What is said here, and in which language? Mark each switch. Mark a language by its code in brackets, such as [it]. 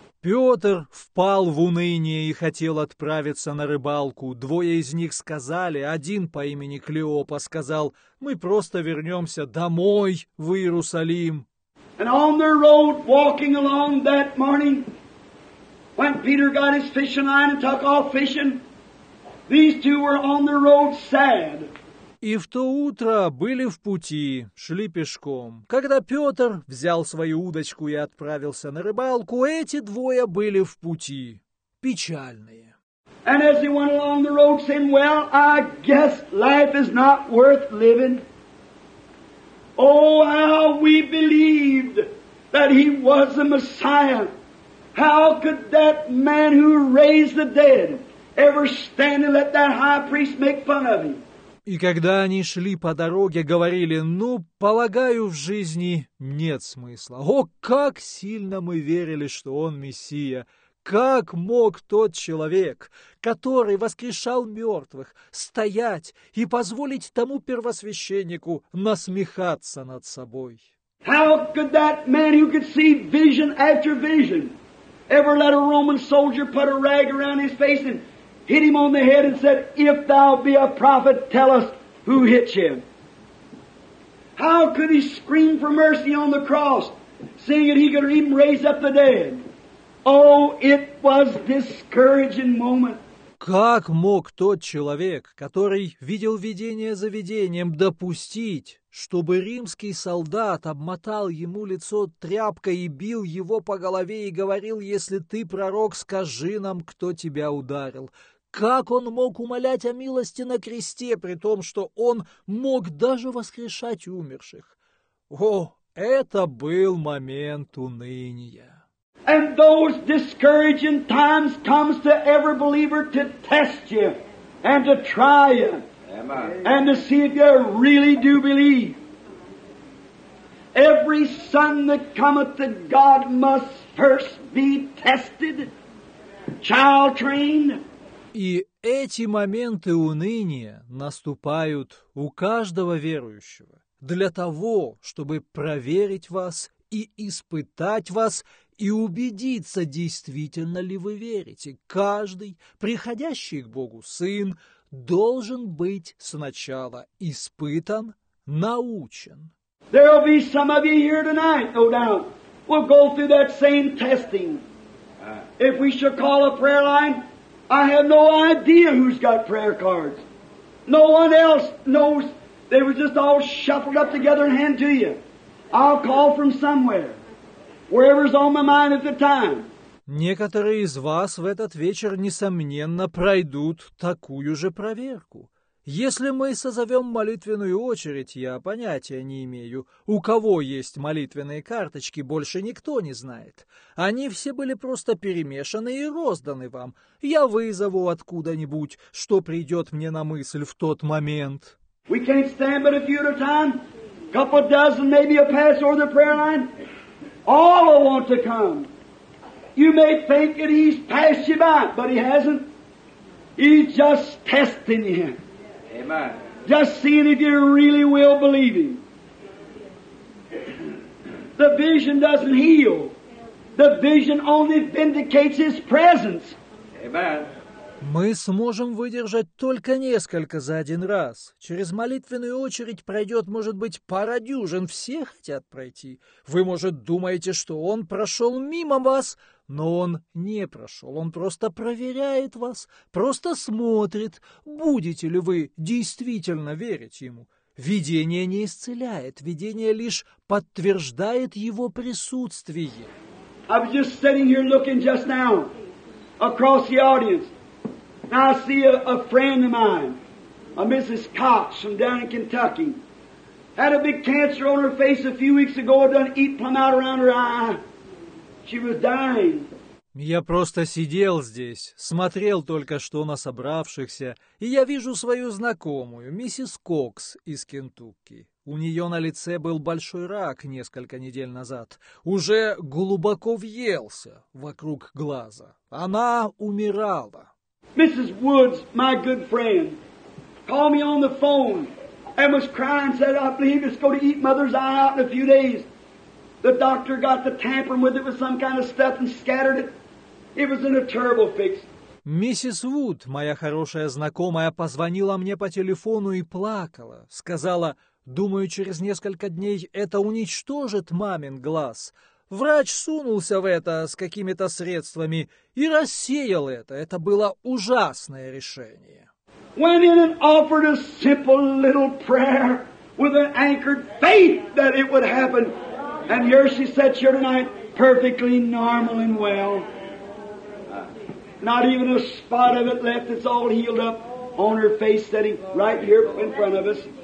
[ru] Петр впал в уныние и хотел отправиться на рыбалку. Двое из них сказали, один по имени Клеопа сказал, «Мы просто вернемся домой в Иерусалим». [en] And on their road, walking along that morning, when Peter got his fishing line and took off fishing, these two were on their road sad. [ru] И в то утро были в пути, шли пешком. Когда Петр взял свою удочку и отправился на рыбалку, эти двое были в пути, печальные. [en] And as he went along the road, saying, Well, I guess life is not worth living. Oh, how we believed that he was the Messiah. How could that man who raised the dead ever stand and let that high priest make fun of him? [ru] И когда они шли по дороге, говорили, ну, полагаю, в жизни нет смысла. О, как сильно мы верили, что он Мессия! Как мог тот человек, который воскрешал мертвых, стоять и позволить тому первосвященнику насмехаться над собой? [en] How could that man who could see vision after vision ever let a Roman soldier put a rag around his face and hit him on the head and said, If thou be a prophet, tell us who hit him. How could he scream for mercy on the cross, seeing that he could even raise up the dead? Oh, it was a discouraging moment. [ru] Как мог тот человек, который видел видение за видением, допустить, чтобы римский солдат обмотал ему лицо тряпкой и бил его по голове и говорил, если ты пророк, скажи нам, кто тебя ударил? Как он мог умолять о милости на кресте, при том, что он мог даже воскрешать умерших? О, это был момент уныния. [en] And those discouraging times comes to every believer to test you and to try you and to see if you really do believe. Every son that cometh to God must first be tested, child trained. [ru] И эти моменты уныния наступают у каждого верующего для того, чтобы проверить вас и испытать вас и убедиться, действительно ли вы верите. Каждый, приходящий к Богу Сын, должен быть сначала испытан, научен. [en] There will be some of you here tonight, no doubt. We'll go through that same testing. If we should call a prayer line, I have no idea who's got prayer cards. No one else knows. They were just all shuffled up together and handed to you. I'll call from somewhere, wherever's on my mind at the time. [ru] Некоторые из вас в этот вечер, несомненно, пройдут такую же проверку. Если мы созовем молитвенную очередь, я понятия не имею, у кого есть молитвенные карточки, больше никто не знает. Они все были просто перемешаны и розданы вам. Я вызову откуда-нибудь, что придет мне на мысль в тот момент. [en] We can't stand but a few at a time. Couple dozen, maybe a pass over the prayer line. All will want to come. You may think that he's passed you by, but he hasn't. He's just testing you. Amen. Just seeing if you really will believe him. The vision doesn't heal. The vision only vindicates his presence. Amen. [ru] Мы сможем выдержать только несколько за один раз. Через молитвенную очередь пройдет, может быть, пара дюжин. Все хотят пройти. Вы, может, думаете, что он прошел мимо вас, но он не прошел. Он просто проверяет вас, просто смотрит, будете ли вы действительно верить ему. Видение не исцеляет, видение лишь подтверждает его присутствие. [en] I was just sitting here looking just now across the audience. Now I see a friend of mine, a Mrs. Cox from down in Kentucky, had a big cancer on her face a few weeks ago. It done eat plumb out around her eye. She was dying. [ru] Я просто сидел здесь, смотрел только что на собравшихся, и я вижу свою знакомую, миссис Кокс из Кентукки. У нее на лице был большой рак несколько недель назад. Уже глубоко въелся вокруг глаза. Она умирала. [en] Mrs. Woods, my good friend, called me on the phone and was crying, said, I believe it's going to eat mother's eye out in a few days. The doctor got to tampering with it with some kind of stuff and scattered it. It was in a terrible fix. [ru] Миссис Вуд, моя хорошая знакомая, позвонила мне по телефону и плакала. Сказала, думаю, через несколько дней это уничтожит мамин глаз. Врач сунулся в это с какими-то средствами и рассеял это. Это было ужасное решение. [en] Went in and offered a simple little prayer with an anchored faith that it would happen. And here she sits here tonight, perfectly normal and well. Not even a spot of it left. It's all healed up on her face, sitting right here in front of us.